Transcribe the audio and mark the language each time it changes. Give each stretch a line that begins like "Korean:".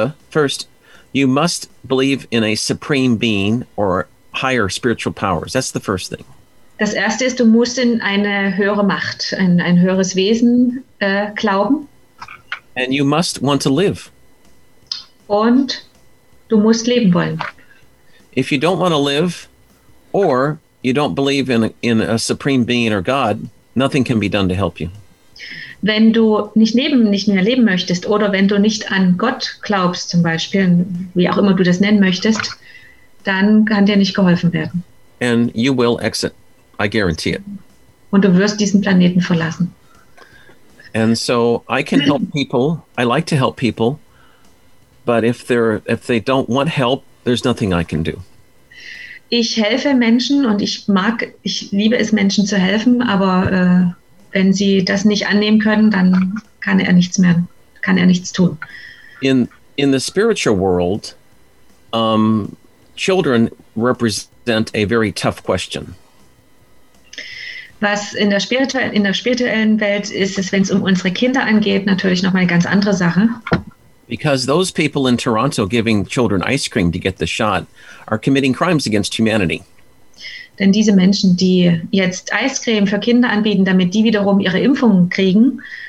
English: First, you must believe in a supreme being or higher spiritual powers. That's the first thing.
German: Das erste ist, du musst in eine höhere Macht, in ein höheres Wesen glauben.
English: And you must want to live.
German: Und du musst leben wollen.
English: If you don't want to live or you don't believe in a supreme being or God, nothing can be done to help you.
German: Wenn du nicht mehr leben möchtest oder wenn du nicht an Gott glaubst, zum Beispiel, wie auch immer du das nennen möchtest, dann kann dir nicht geholfen werden.
English: And you will exit. I guarantee it.
German: Und du wirst diesen Planeten verlassen.
English: And so I can help people. I like to help people. But if they don't want help, there's nothing I can do.
German: Ich helfe Menschen und ich liebe es, Menschen zu helfen. Aber wenn sie das nicht annehmen können, dann kann er nichts tun.
English: In the spiritual world, children represent a very tough question.
German: Was in der spirituellen Welt ist, ist, wenn es unsere Kinder angeht, natürlich noch mal eine ganz andere Sache.
English: Because those people in Toronto giving children ice cream to get the shot are committing crimes against humanity.
German: Denn diese Menschen, die jetzt Eiscreme für Kinder anbieten, damit die wiederum ihre Impfung kriegen,